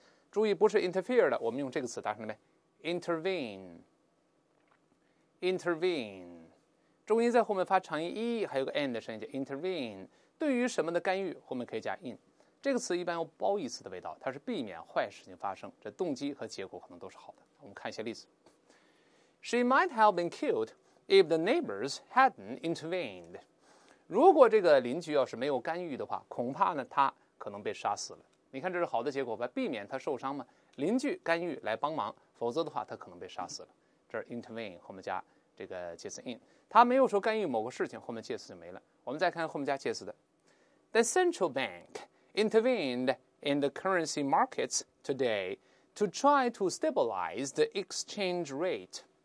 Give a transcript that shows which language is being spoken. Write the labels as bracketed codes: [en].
[zh] 注意不是 interfere 的，我们用这个词搭上了没？intervene intervene， 重音在后面发长音 e， 还有个 n 的声音叫 intervene。对于什么的干预，后面可以加 in。这个词一般有褒义词的味道，它是避免坏事情发生，这动机和结果可能都是好的。我们看一些例子。 She might have been killed if the neighbors hadn't intervened。如果这个邻居要是没有干预的话，恐怕呢她可能被杀死了。你看这是好的结果吧，避免他受伤嘛，邻居干预来帮忙，否则的话他可能被杀死了。这是 intervene， 后面加这个介词 in， 他没有说干预某个事情，后面介词就没了。我们再看后面加介词的 [en] The central bank intervened in the currency markets today to try to stabilize the exchange rate。